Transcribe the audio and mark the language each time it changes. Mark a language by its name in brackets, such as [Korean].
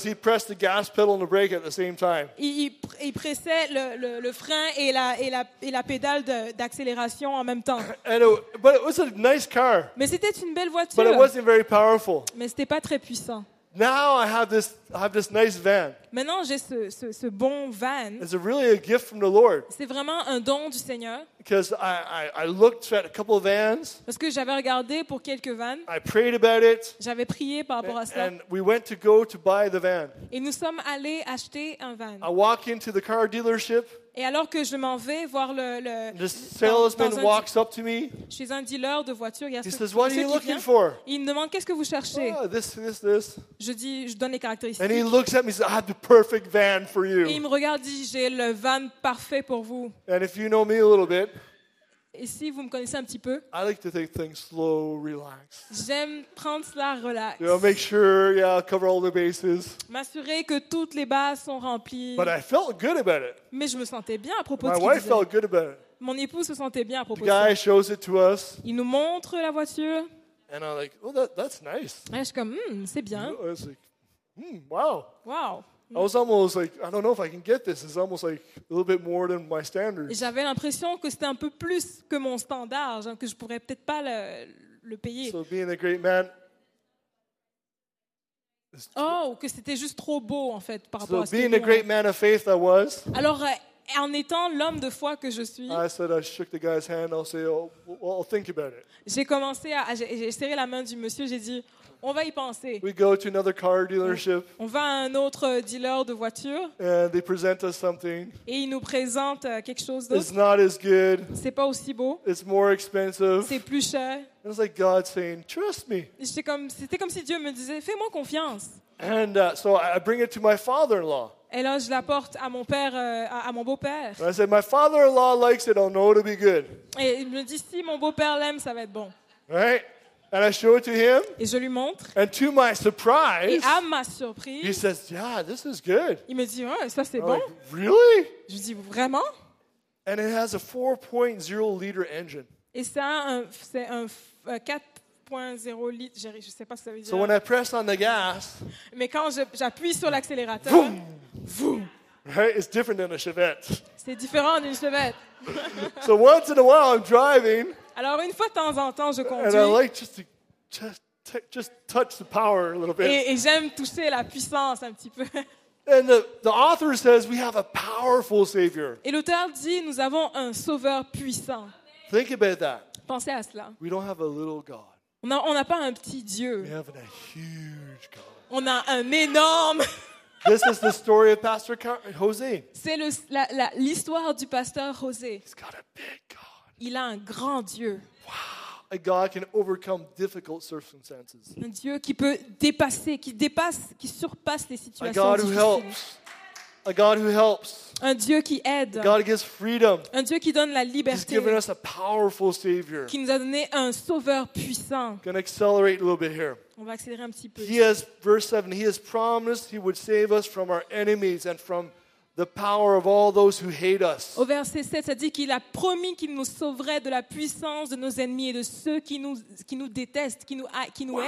[English] Because he pressed the gas pedal and the brake at the same time. [French] Il pressait le frein et la pédale d'accélération en même temps. [English] But it was a nice car. [French] Mais c'était une belle voiture. [English] But it wasn't very powerful. [French] Mais c'était pas très puissant. [English] Now I have this nice van. [French] Maintenant j'ai ce bon van. [English] It's really a gift from the Lord. [French] C'est vraiment un don du Seigneur. [English] Because I looked at a couple of vans. [French] Parce que j'avais regardé pour quelques vans. [English] I prayed about it. [French] J'avais prié par rapport à ça. [English] And we went to go to buy the van. [French] Et nous sommes allés acheter un van. [English] I walk into the car dealership. [French] Et alors que je m'en vais voir le [English] the salesman dans walks up to me. [French] Je suis un dealer de voitures. [English] He [French] ce, [English] says, "What are you looking for?" [French] Il me demande qu'est-ce que vous cherchez. [English] Oh, this. [French] Je donne les caractéristiques. [English] And he looks at me and says, "I have the perfect van for you." [French] Et il me regarde et dit, j'ai le van parfait pour vous. [English] And if you know me a little bit. [French] Et si vous me connaissez un petit peu. [English] I like to take things slow, relax. [French] J'aime prendre cela relax. [English] You know, make sure, yeah, cover all the bases. [French] M'assurer que toutes les bases sont remplies. [English] But I felt good about it. [French] Mais je me sentais bien à propos de ça. [English] My wife felt good about it. [French] Mon épouse se sentait bien à propos de ça. [English] The guy shows it to us. [French] Il nous montre la voiture. [English] And I'm like, oh, that's nice. [French] Et je suis comme, c'est bien. [English] You know, I was like, wow. Wow. I was almost like, I don't know if I can get this. It's almost like a little bit more than my standards. [French] Et j'avais l'impression que c'était un peu plus que mon standard, que je pourrais peut-être pas le payer. [English] So being a great man. [French] Oh, que c'était juste trop beau en fait par [English] so [French] rapport à ce [English] being being a great man of faith I was. [French] Alors en étant l'homme de foi que je suis. [English] I said I shook the guy's hand. I'll say, oh, well, I'll think about it. [French] J'ai commencé j'ai serré la main du monsieur. J'ai dit. On va y penser. [English] We go to another car dealership. [French] On va à un autre dealer de voitures. [English] And they present us something. [French] Et ils nous présentent quelque chose d'autre. [English] It's not as good. [French] C'est pas aussi beau. [English] It's more expensive. [French] C'est plus cher. [English] It was like God saying, "Trust me." [French] C'était comme si Dieu me disait, "Fais-moi confiance." [English] And so I bring it to my father-in-law. [French] Et là, je la porte à mon père, à mon beau-père. [English] And I said, my father-in-law likes it. I know it'll be good. [French] Et il me dit, si mon beau-père l'aime, ça va être bon. [English] Right? And I show it to him. [French] Et je lui montre. [English] And to my surprise, [French] et à ma surprise, [English] he says, yeah, this is good. [French] Il me dit, ouais, ça c'est bon. [English] Like, really? [French] Je lui dis, vraiment? [English] And it has a 4.0 liter engine. [French] Et ça, c'est un 4.0 litre. Je ne sais pas ce que ça veut dire. [English] So when I press on the gas, [French] mais quand j'appuie sur l'accélérateur, [English] boom, right? It's different than a Chevette. [French] C'est différent d'une Chevette. [English] So once in a while, I'm driving. [French] Alors une fois de temps en temps, je conduis. [English] And I like just touch the power a little bit. [French] Et j'aime toucher la puissance un petit peu. [English] And the author says we have a powerful Savior. [French] Et l'auteur dit nous avons un Sauveur puissant. [English] Think about that. [French] Pensez à cela. [English] We don't have a little God. [French] On n'a pas un petit Dieu. [English] We have a huge God. [French] On a un énorme. [English] This is the story of Pastor Jose. [French] C'est l'histoire du pasteur José. [English] He's got a big God. [French] Il a un grand Dieu. [English] Wow. A God can overcome difficult circumstances. [French] Un Dieu qui peut dépasser, qui dépasse, qui surpasse les situations [English] difficiles. A God who helps. A God who helps. [French] Un Dieu qui aide. [English] God gives freedom. [French] Un Dieu qui donne la liberté. [English] He's given us a powerful Savior. [French] Qui nous a donné un Sauveur puissant. [English] Can accelerate a little bit here. [French] On va accélérer un petit peu. [English] He has verse 7. He has promised he would save us from our enemies and from the power of all those who hate us. [French] Au verset 7, ça dit qu'il a promis qu'il nous sauverait de la puissance de nos ennemis et de ceux qui nous détestent, qui nous